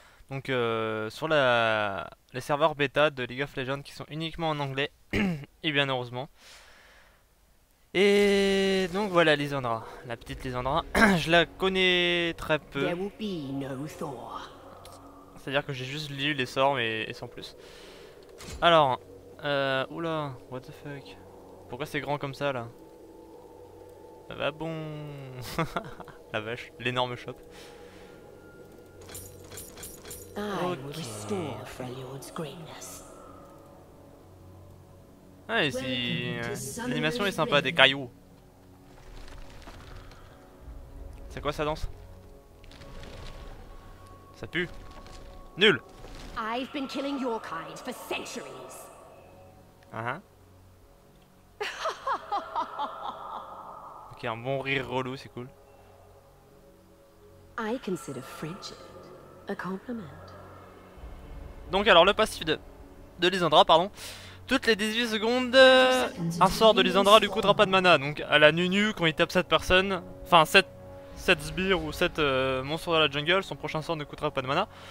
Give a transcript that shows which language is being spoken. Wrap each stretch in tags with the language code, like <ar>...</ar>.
<fr>Donc sur les serveurs bêta de League of Legends qui sont uniquement en anglais, et bien heureusement. Et donc voilà Lysandra, la petite Lysandra. Je la connais très peu.</fr> <en>There will be no thaw.</en> <fr>C'est-à-dire que j'ai juste lu les sorts mais et sans plus. Alors, oula,</fr> <en>what the fuck?</en> <fr>Pourquoi c'est grand comme ça là? Bah bon. La vache, l'énorme chope.</fr> <en>I will restore Freljord's greatness.</en> <fr>Ah, et si l'animation est sympa, des cailloux. C'est quoi sa danse? Ça pue. Nul.</fr> <en>I've been killing your kind for centuries.</en> <fr>Ok, un bon rire relou, c'est cool.</fr> <en>I consider friendship a compliment.</en> <fr>Donc alors le passif de Lysandra, pardon. Toutes les 18 secondes, un sort de Lysandra lui coûtera pas de mana. Donc à la nunu, quand il tape cette personne, enfin cette sbire ou cette monstre de la jungle, son prochain sort ne coûtera pas de mana.</fr>